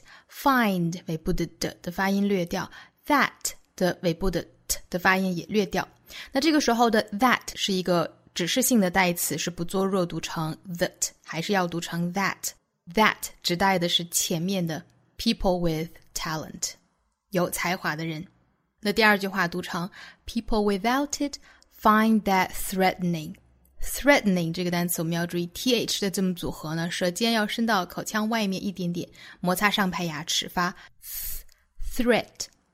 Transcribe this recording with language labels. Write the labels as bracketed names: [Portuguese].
[Chinese] Find 尾部的 d 的发音略掉 That 的尾部的 t 的发音也略掉。那这个时候的 that 是一个指示性的代词，是不做弱读成 that， 还是要读成 that。 That 指代的是前面的 [English] People with talent， [Chinese] 有才华的人。那第二句话读成 [English] People without itFind that threatening. [Chinese] Threatening 这个单词我们要注意 TH 的字母组合呢，舌尖要伸到口腔外面一点点，摩擦上排牙齿发 threatening.